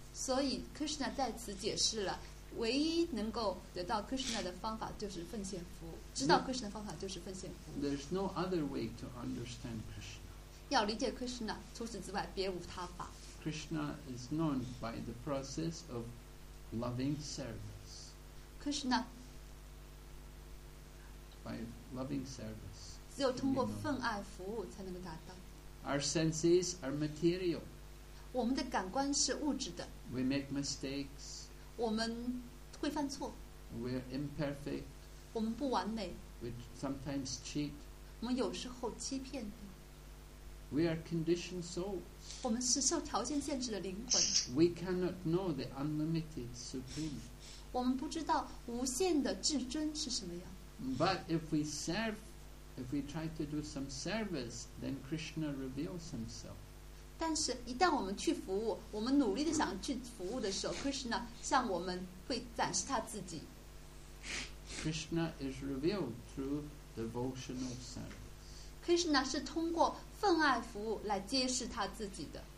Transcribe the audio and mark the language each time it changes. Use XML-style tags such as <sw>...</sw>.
<zh>所以 Krishna 在此解释了，唯一能够得到 Krishna 的方法就是奉献服务。知道 Krishna 的方法就是奉献服务。</zh> <en>There's no other way to understand Krishna.</en> <zh>要理解 Krishna， 除此之外别无他法。</zh> <en>Krishna is known by the process of loving service. Krishna. By loving service.</en> <zh>只有通过奉爱服务才能够达到。</zh> <en>Our senses are material.</en> <zh>我们的感官是物质的。</zh> <en>We make mistakes.</en> <zh>我们会犯错。</zh> <en>We're imperfect.</en> <zh>我们不完美。</zh> <en>We sometimes cheat.</en> <zh>我们有时候欺骗。</zh> <en>We are conditioned souls.</en> <zh>我们是受条件限制的灵魂。</zh> <en>We cannot know the unlimited supreme.</en> <zh>我们不知道无限的至尊是什么样。</zh> <en>But if we serve, if we try to do some service, then Krishna reveals himself.</en> <zh>但是一旦我们去服务，我们努力地想去服务的时候 ，Krishna 向我们会展示他自己。</zh> <en>Krishna is revealed through devotional service.</en> <zh>Krishna 是通过奉爱服务来揭示他自己的。</zh>